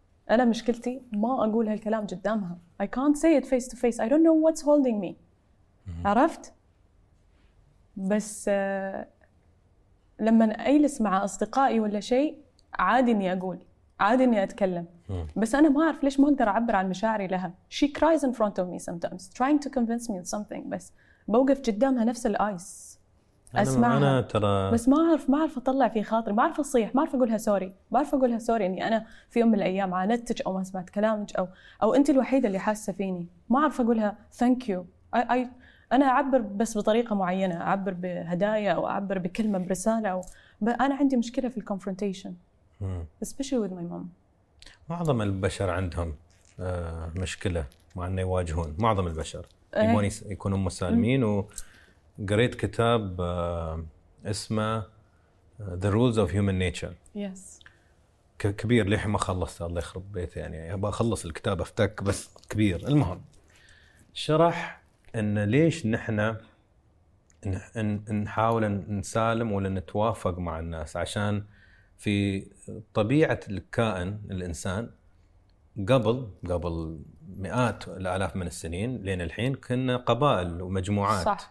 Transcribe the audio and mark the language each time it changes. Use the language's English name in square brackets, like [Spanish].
[Arabic] انا مشكلتي ما اقول هالكلام قدامها. [English] I can't say it face to face. I don't know what's holding me. [Arabic] عرفت؟ بس لما أجلس مع أصدقائي ولا شيء عادي إني أقول، عادي إني أتكلم. بس أنا ما أعرف ليش ما أقدر أعبر عن مشاعري لها. [English] She cries in front of me sometimes, trying to convince me of something. [Arabic] بس بوقف قدامها نفس الآيس. أسمعها. أنا ترى. بس ما أعرف أطلع في خاطري، ما أعرف أصيح، ما أعرف أقولها سوري، ما أعرف أقولها سوري إني أنا في يوم من الأيام عانتك أو ما سمعت كلامك أو أنت الوحيدة اللي حاسة فيني. ما أعرف أقولها [English] thank you. [Arabic] أنا أعبر بس بطريقة معينة، أعبر بهدايا أو أعبر بكلمة برسالة أو أنا عندي مشكلة في الكونفرونتيشن. [English] Especially with my mom. [Arabic] معظم البشر عندهم مشكلة مع أن يواجهون، معظم البشر يبون يكونوا مسالمين. وقريت كتاب اسمه The Rules of Human Nature. [English] Yes. [Arabic] كبير ليه ما خلصت، الله يخرب بيته، يعني أبغى أخلص الكتاب أفتك، بس كبير. المهم شرح ان ليش نحن نحاول نسالم ولا نتوافق مع الناس عشان في طبيعة الكائن الإنسان قبل مئات الآلاف من السنين لين الحين كنا قبائل ومجموعات.